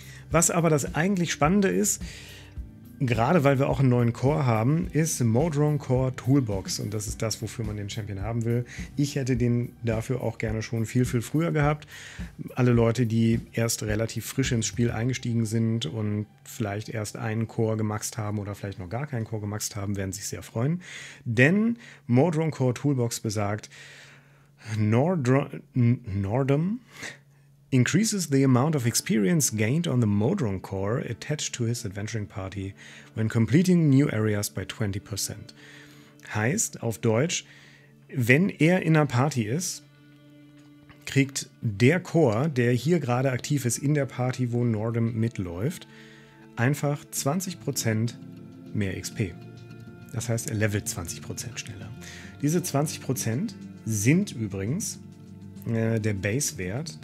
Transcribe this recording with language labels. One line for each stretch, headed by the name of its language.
German: Was aber das eigentlich Spannende ist, gerade weil wir auch einen neuen Core haben, ist Modron Core Toolbox. Und das ist das, wofür man den Champion haben will. Ich hätte den dafür auch gerne schon viel, viel früher gehabt. Alle Leute, die erst relativ frisch ins Spiel eingestiegen sind und vielleicht erst einen Core gemaxt haben oder vielleicht noch gar keinen Core gemaxt haben, werden sich sehr freuen. Denn Modron Core Toolbox besagt,
English: Nordum increases the amount of experience gained on the Modron Core attached to his adventuring party when completing new areas by 20%.
German: Heißt auf Deutsch, wenn er in einer Party ist, kriegt der Core, der hier gerade aktiv ist in der Party, wo Nordum mitläuft, einfach 20% mehr XP. Das heißt, er levelt 20% schneller. Diese 20% sind übrigens der Base-Wert.